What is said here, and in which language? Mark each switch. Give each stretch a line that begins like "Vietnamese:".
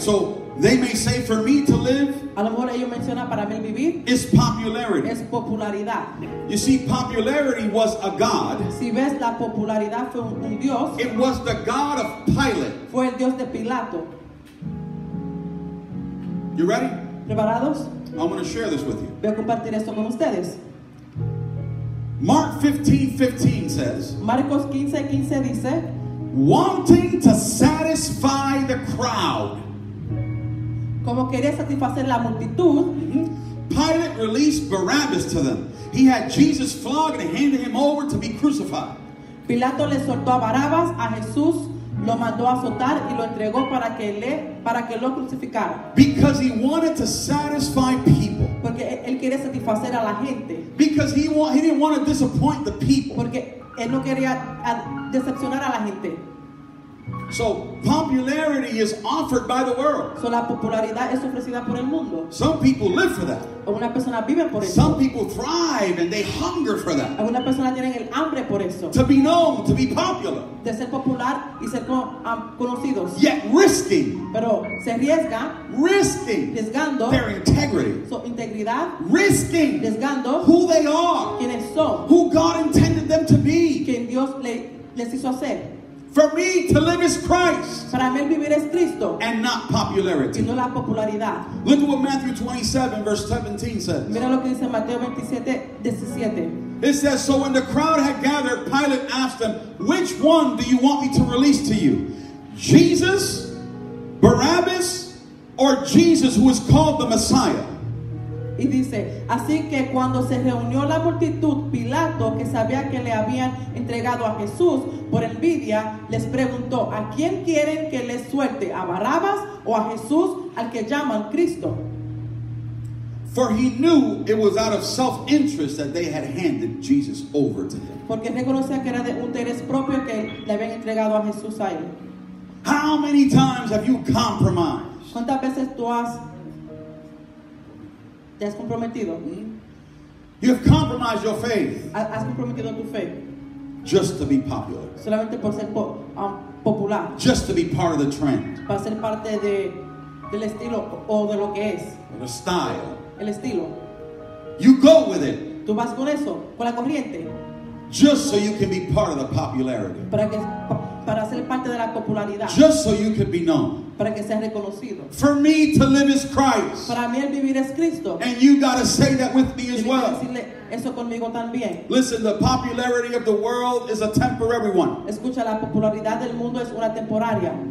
English: So they may say for me to live
Spanish: a lo mejor ellos mencionan para mí el vivir
English: is popularity.
Spanish: Es popularidad.
English: You see, popularity was a god.
Spanish: Si ves, la popularidad fue un Dios.
English: It was the god of Pilate.
Spanish: Fue el Dios de Pilato.
English: You ready?
Spanish: ¿Preparados?
English: I want to share this with you.
Spanish: Voy a compartir esto con ustedes.
English: Mark 15:15 says,
Spanish: Marcos 15:15 dice,
English: wanting to satisfy the crowd,
Spanish: como quería satisfacer la multitud,
English: Pilate released Barabbas to them. He had Jesus flogged and handed him over to be crucified.
Spanish: Pilato le soltó a Barabbas, a Jesús lo mandó a azotar y lo entregó para que lo crucificara.
English: Because he wanted to satisfy people.
Spanish: Porque él quería satisfacer a la gente.
English: Because he didn't want to disappoint the people.
Spanish: Porque él no quería decepcionar a la gente.
English: So popularity is offered by the world.
Spanish: So la popularidad es ofrecida por el mundo.
English: Some people live for that.
Spanish: Algunas personas viven por eso.
English: Some people thrive and they hunger for that.
Spanish: Algunas personas tienen el hambre por eso.
English: To be known, to be popular.
Spanish: De ser popular y ser conocidos.
English: Yet risking.
Spanish: Pero se arriesga.
English: Risking.
Spanish: Riesgando.
English: Their integrity.
Spanish: Su integridad.
English: Risking.
Spanish: Riesgando.
English: Who they are.
Spanish: Quienes son.
English: Who God intended them to be.
Spanish: Quien Dios les hizo ser.
English: For me to live is Christ.
Spanish: Para mí vivir es Cristo.
English: And not popularity.
Spanish: Y no la popularidad.
English: Look at what Matthew 27 verse 17 says.
Spanish: Mira lo que dice Mateo 27, 17.
English: It says, so when the crowd had gathered, Pilate asked them, which one do you want me to release to you? Jesus, Barabbas, or Jesus who is called the Messiah?
Spanish: Y dice, así que cuando se reunió la multitud, Pilato, que sabía que le habían entregado a Jesús por envidia, les preguntó, ¿a quién quieren que les suelte, a Barabbas o a Jesús, al que llaman Cristo?
English: For he knew it was out of self-interest that they had handed Jesus over to them.
Spanish: Porque reconocía que era de interés propio que le habían entregado a Jesús a él.
English: How many times have you compromised?
Spanish: ¿Cuántas veces tú has te has comprometido?
English: You have compromised your faith.
Spanish: Has comprometido tu fe.
English: Just to be popular.
Spanish: Solamente por ser popular.
English: Just to be part of the trend.
Spanish: Para ser parte del estilo o de lo que es.
English: The style.
Spanish: El estilo.
English: You go with it.
Spanish: Tú vas con eso, con la corriente.
English: Just so you can be part of the popularity.
Spanish: Para ser parte de la popularidad.
English: Just so you can be known.
Spanish: Para que seas reconocido.
English: For me to live is Christ.
Spanish: Para mí el vivir es Cristo.
English: And you got to say that with me as well.
Spanish: Decirle eso conmigo también.
English: Listen, the popularity of the world is a temporary one.
Spanish: Escucha, la popularidad del mundo es una temporaria.